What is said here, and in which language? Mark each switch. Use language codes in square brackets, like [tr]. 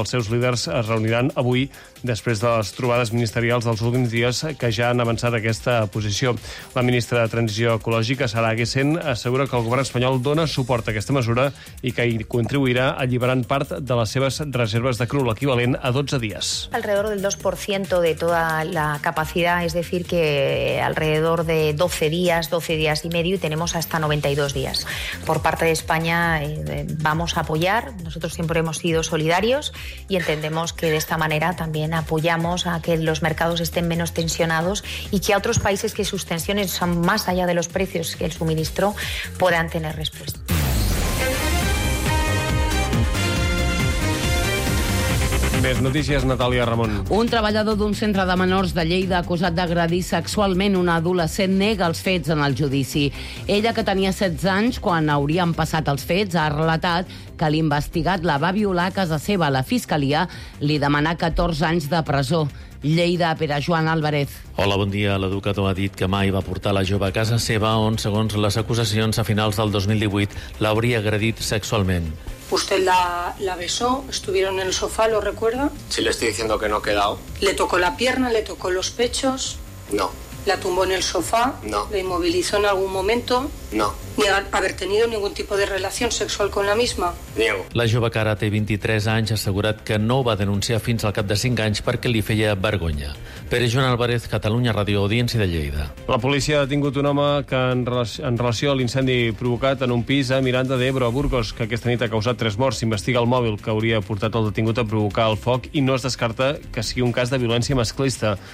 [ca] Els seus líders es reuniran avui després de les trobades ministerials dels últims dies que ja han avançat aquesta posició. La ministra de Transició Ecològica, Sara Gessen, assegura que el govern espanyol dona suport a aquesta mesura i que hi contribuirà alliberant part de les seves reserves de cru, l'equivalent a 12 dies. [es] Alrededor del 2% de toda la capacidad, es decir, que alrededor de 12 días, 12 días y medio, y tenemos hasta 92 días. Por parte de España vamos a apoyar, nosotros siempre hemos sido solidarios, y entendemos que de esta manera también apoyamos a que los mercados estén menos tensionados y que a otros países que sus tensiones son más allá de los precios que el suministro puedan tener respuesta. [ca] Més notícies, Natàlia Ramon. Un treballador d'un centre de menors de Lleida acusat d'agredir sexualment una adolescent nega els fets en el judici. Ella, que tenia 16 anys quan haurien passat els fets, ha relatat que l'investigat la va violar a casa seva. La fiscalia li demanà 14 anys de presó. Lleida, Pere Joan Álvarez. Hola, bon dia. L'educador ha dit que mai va portar la jove a casa seva on, segons les acusacions, a finals del 2018 l'hauria agredit sexualment. [es] ¿Usted la besó? ¿Estuvieron en el sofá, lo recuerda? Sí, le estoy diciendo que no he quedado. ¿Le tocó la pierna? ¿Le tocó los pechos? No. ¿La tumbó en el sofá? No. ¿La inmovilizó en algún momento? No. ¿Ni haber tenido ningún tipo de relación sexual con la misma? Niego. [ca] La jove, que ara té 23 anys, ha assegurat que no ho va denunciar fins al cap de 5 anys perquè li feia vergonya. Pere Joan Álvarez, Catalunya Ràdio, Audiència de Lleida. La policia ha detingut un home que en relació a l'incendi provocat en un pis a Miranda d'Ebro, a Burgos, que aquesta nit ha causat 3 morts, s'investiga el mòbil que hauria portat el detingut a provocar el foc i no es descarta que sigui un cas de violència masclista.